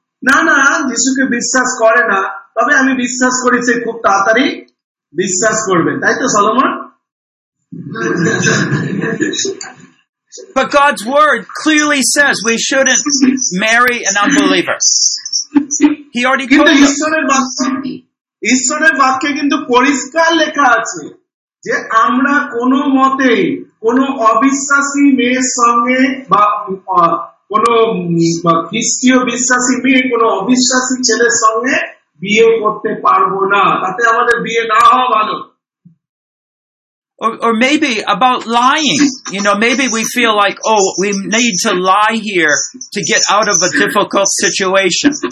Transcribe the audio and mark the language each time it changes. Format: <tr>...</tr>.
<bn>না, যিশুকে বিশ্বাস করে না, তবে আমি বিশ্বাস করি সে খুব তাড়াতাড়ি বিশ্বাস করবে, তাই তো Solomon?</bn> <en>But God's word clearly says we shouldn't marry an unbeliever. He already told us.</en> <bn>ঈশ্বরের বাক্যে কিন্তু পরিষ্কার লেখা আছে যে আমরা কোন মতে কোন অবিশ্বাসী মেয়ের সঙ্গে বা কোন খ্রিস্টীয় বিশ্বাসী মেয়ে কোন অবিশ্বাসী ছেলের সঙ্গে বিয়ে করতে পারবো না, তাতে আমাদের বিয়ে না হওয়া ভালো।</bn> <en>Or maybe about lying, maybe we feel like, oh, we need to lie here to get out of a difficult situation.</en>